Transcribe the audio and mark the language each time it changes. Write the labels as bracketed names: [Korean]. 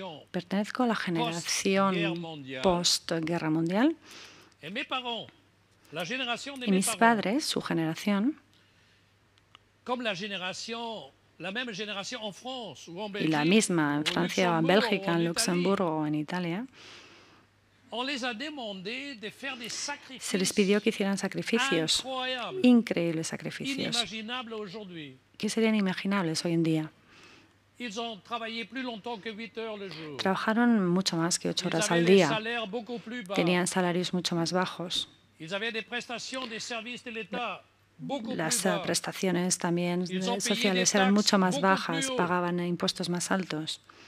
[Spanish] Pertenezco a la generación post-guerra mundial. Y mis padres, su generación, como la generación [French] en France, ou en [Spanish] y la misma en Francia o en Bélgica, en Luxemburgo o en Italia, [French] on les a demandé de faire des sacrifices, [Spanish] se les pidió que hicieran sacrificios, increíbles sacrificios, que serían inimaginables hoy en día. [French] Ils ont travaillé plus longtemps que 8 heures le jour. [Spanish] Trabajaron mucho más que 8 horas [French] ils [Spanish] al día, tenían salarios mucho más bajos. [French] Ils avaient des prestations, des services de l'État. [Spanish] Las prestaciones también sociales eran mucho más bajas, pagaban impuestos más altos.